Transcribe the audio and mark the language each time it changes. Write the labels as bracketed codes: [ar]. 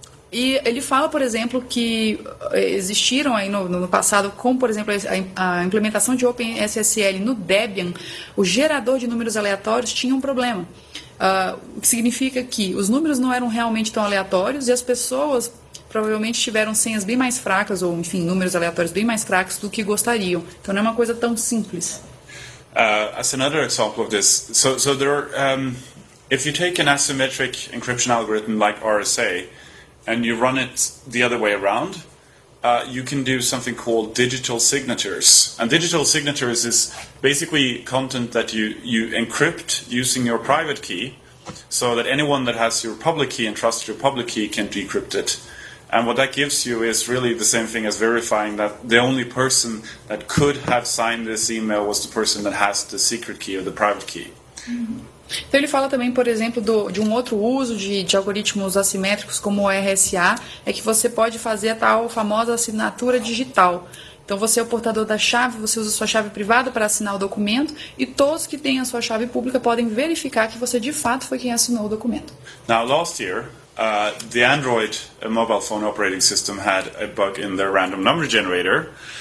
[pt] E ele fala, por exemplo, que existiram aí no passado, como, por exemplo, a implementação de OpenSSL no Debian, o gerador de números aleatórios tinha um problema. O que significa que os números não eram realmente tão aleatórios e as pessoas provavelmente tiveram senhas bem mais fracas, ou, enfim, números aleatórios bem mais fracos do que gostariam. Então, não é uma coisa tão simples. [en] As another example of this. So there are, if you take an asymmetric encryption algorithm like RSA and you run it the other way around, you can do something called digital signatures. And digital signatures is basically content that you encrypt using your private key so that anyone that has your public key and trusts your public key can decrypt it. And what that gives you is really the same thing as verifying that the only person that could have signed this email was the person that has the secret key or the private key. Uhum. [pt] Então ele fala também, por exemplo, de um outro uso de algoritmos assimétricos como o RSA, é que você pode fazer a tal famosa assinatura digital. Então você é o portador da chave, você usa sua chave privada para assinar o documento e todos que têm a sua chave pública podem verificar que você de fato foi quem assinou o documento. [en] Now, last year, the Android mobile phone operating system had a bug in their random number generator.